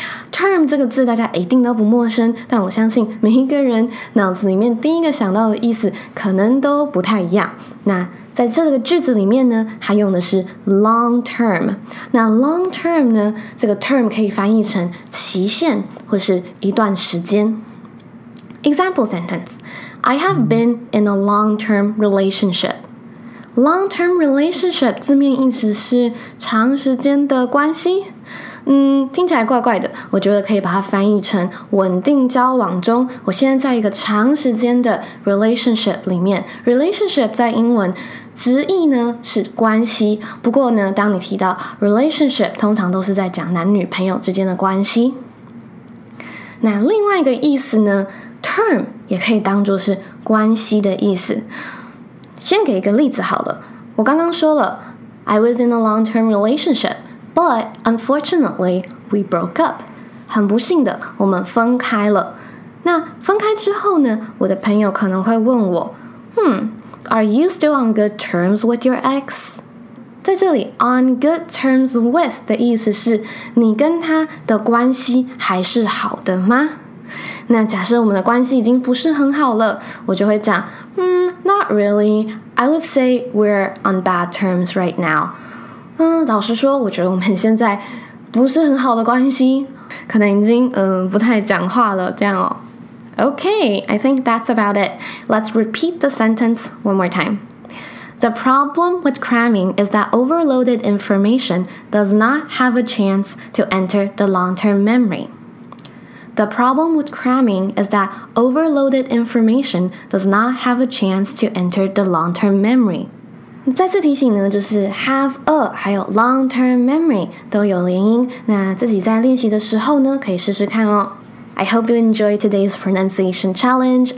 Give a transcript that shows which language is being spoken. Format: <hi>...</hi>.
<zh>Term 这个字大家一定都不陌生，但我相信每一个人脑子里面第一个想到的意思可能都不太一样。那在这个句子里面呢，它用的是 long term。那 long term 呢，这个 term 可以翻译成期限或是一段时间。</zh> <en>Example sentence, I have been in a long term relationship.</en> <zh>Long term relationship 字面意思是长时间的关系，听起来怪怪的，我觉得可以把它翻译成稳定交往中，我现在在一个长时间的 relationship 里面。 relationship 在英文直译呢是关系，不过呢当你提到 relationship 通常都是在讲男女朋友之间的关系。那另外一个意思呢， term 也可以当作是关系的意思。</zh> <en>先给一个例子好了，</en> <zh>我刚刚说了</zh> <en>I was in a long term relationship but unfortunately we broke up，</en> <zh>很不幸的我们分开了。那分开之后呢，我的朋友可能会问我</zh> <en>Are you still on good terms with your ex？</en> <zh>在这里 on good terms with 的意思是你跟他的关系还是好的吗？那假设我们的关系已经不是很好了，我就会讲</zh> <en>Not really, I would say we're on bad terms right now。</en> <zh>老实说我觉得我们现在不是很好的关系，可能已经不太讲话了这样哦。</zh> <en>Okay, I think that's about it. Let's repeat the sentence one more time. The problem with cramming is that overloaded information does not have a chance to enter the long-term memory. The problem with cramming is that overloaded information does not have a chance to enter the long-term memory.</en> <zh>再次提醒呢，就是 have a 还有 long-term memory 都有连音，那自己在练习的时候呢，可以试试看哦。</zh> <en>I hope you enjoy today's pronunciation challenge.</en>